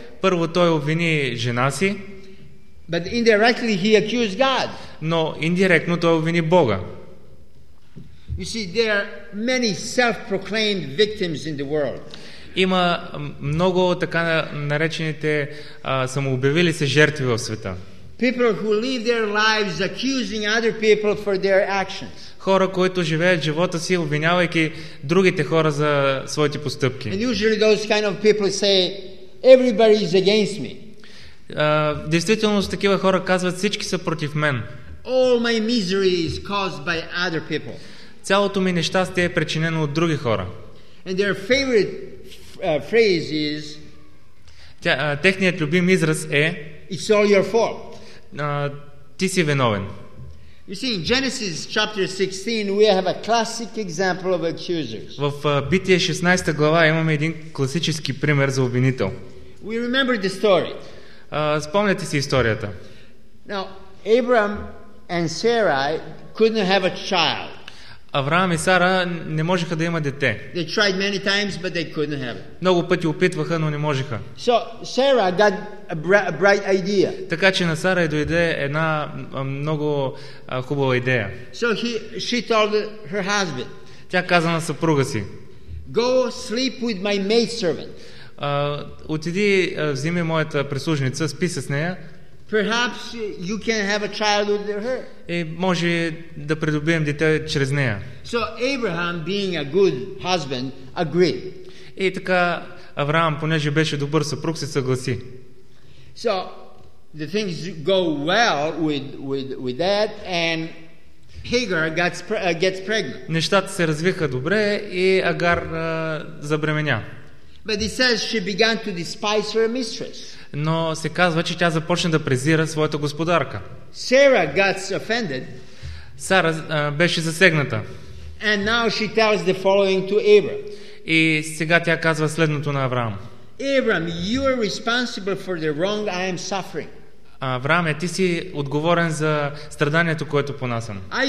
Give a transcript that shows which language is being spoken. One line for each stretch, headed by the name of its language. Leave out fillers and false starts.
Bulgarian: Първо той обвини жена си.
English: But indirectly he accused God.
Bulgarian: Но индиректно той обвини Бога.
English: You see, there are many self-proclaimed victims in the world.
Bulgarian: Има много така наречените самообявили се жертви в света.
English: People who live their lives accusing other people for their actions.
Bulgarian: Хора, които живеят живота си, обвинявайки другите хора за своите постъпки.
English: And usually those kind of people say, everybody is against me.
Bulgarian: Действително, такива хора казват, всички са против мен.
English: All my misery is caused by other people.
Bulgarian: Цялото ми нещастие е причинено от други хора.
English: And their favorite phrase is,
Bulgarian: техният любим израз е,
English: it's all your fault.
Bulgarian: Ти си виновен.
English: You see, in Genesis chapter 16 we have a classic example of accusers.
Bulgarian: В Битие 16 глава имаме един класически пример за обвинител.
English: We remember the story.
Bulgarian: Спомнете си историята.
English: Now, Abraham and Sarai couldn't have a child.
Bulgarian: Авраам и Сара не можеха да има дете.
English: They tried many times, but they couldn't have it.
Bulgarian: Много пъти опитваха, но не можеха.
English: So, Sarah got a bright idea.
Bulgarian: Така че на Сара и дойде една много хубава идея.
English: So she told her husband.
Bulgarian: Тя каза на съпруга си.
English: Go sleep with my maidservant.
Bulgarian: Отиди, вземи моята прислужница, спи с нея.
English: Perhaps you can have a child with her.
Bulgarian: И може да придобием дете чрез нея.
English: So Abraham, being a good husband, agreed.
Bulgarian: И така Авраам, понеже беше добър съпруг, се съгласи.
English: So the things go well with that, and Hagar gets pregnant.
Bulgarian: Нещата се развиха добре и Агар забременя.
English: But it says she began to despise her mistress.
Bulgarian: Но се казва, че тя започна да презира своята господарка.
English: Sarah got offended.
Bulgarian: Сара беше засегната.
English: And now she tells the following to Abraham.
Bulgarian: И сега тя казва следното на Авраам.
English: Abraham, you are responsible for the wrong I am suffering.
Bulgarian: Авраам, ти си отговорен за страданието, което понасям.